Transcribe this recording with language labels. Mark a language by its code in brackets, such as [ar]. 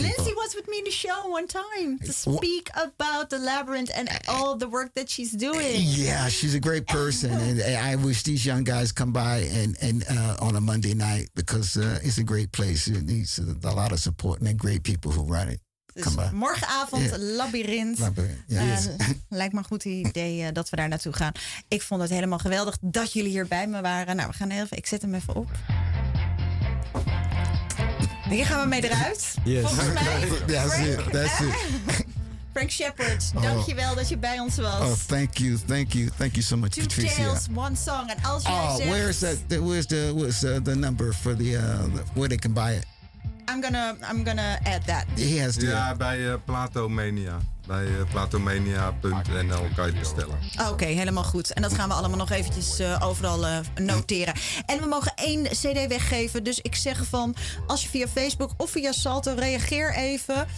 [en] Lindsay was with me in the show one time to speak about The Labyrinth and all the work that she's doing. Yeah, she's a great person. And I wish these young guys come by and on a Monday night because it's a great place. It needs a lot of support and great people who run it. [nl] Dus morgenavond, Labyrinth. Lijkt me een goed idee dat we daar naartoe gaan. Ik vond het helemaal geweldig dat jullie hier bij me waren. Nou, we gaan even. Ik zet hem even op. Hier gaan we mee eruit. [en] Yes. [nl] Volgens mij. [en] That's it. [nl] Frank Shepherd, dankjewel dat je bij ons was. [en] Oh, thank you, thank you, thank you so much, Two Patricia. [nl] Two Tales, One Song. And als jij zegt, [en] where's that? Where's the number for the where they can buy it? I'm gonna add that. He has to. [nl] Ja, bij Platomania. Bij platomania.nl kan je bestellen. Oké, helemaal goed. En dat gaan we allemaal nog eventjes overal noteren. En we mogen 1 cd weggeven. Dus ik zeg van, als je via Facebook of via Salto reageer even.